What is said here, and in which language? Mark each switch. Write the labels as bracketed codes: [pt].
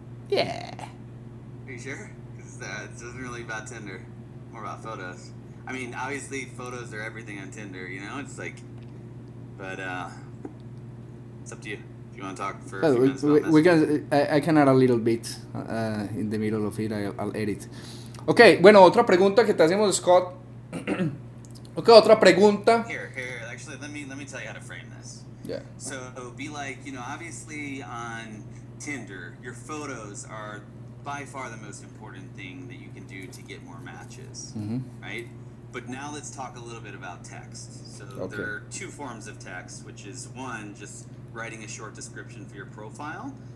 [en] Yeah. Are you sure? Because it wasn't really about Tinder. More about photos. I mean, obviously, photos are everything on Tinder, you know? It's like, but it's up to you. If you want to talk for a few minutes about this. I can add a little bit in the middle of it. I'll edit. [es] Okay, bueno, otra pregunta que te hacemos, Scott. Okay, otra pregunta. [en] Here. Actually, let me tell you how to frame this. Yeah. So be like, you know, obviously on Tinder, your photos are by far the most important thing that you can do to get more matches, mm-hmm. right? But now let's talk a little bit about text. So there are two forms of text, which is one, just writing a short description for your profile.